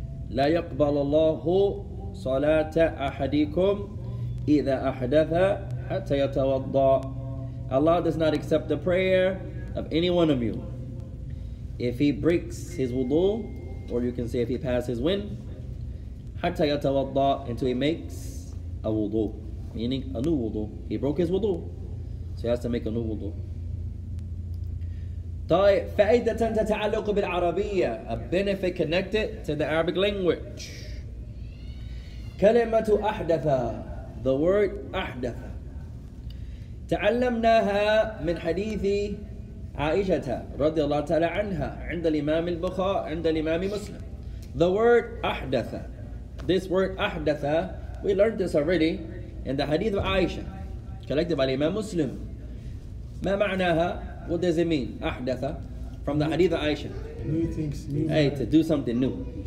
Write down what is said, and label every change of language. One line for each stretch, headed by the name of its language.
Arabic: لا يقبل الله صلاة أحدكم إذا أحدث حتى يتوضع.
English: Allah does not accept the prayer of any one of you if he breaks his wudu, or you can say if he passes when
Arabic: حتى يتوضع,
English: until he makes a wudu, meaning a new wudu. He broke his wudu, so he has to make a new wudu.
Arabic: طيب فائدة تتعلق بالعربية,
English: a benefit connected to the Arabic language.
Arabic: كلمة أحدث,
English: the word
Arabic: أحدث, تعلمناها من حديث عائشة رضي الله تعالى عنها عند الإمام البخاري عند الإمام مسلم.
English: The word أحدث, this word أحدث, we learned this already in the hadith of Aisha collected by الإمام مسلم.
Arabic: ما معناها؟
English: What does it mean? أحدث, from the hadith of Aisha. New things, new. Hey, to do something new.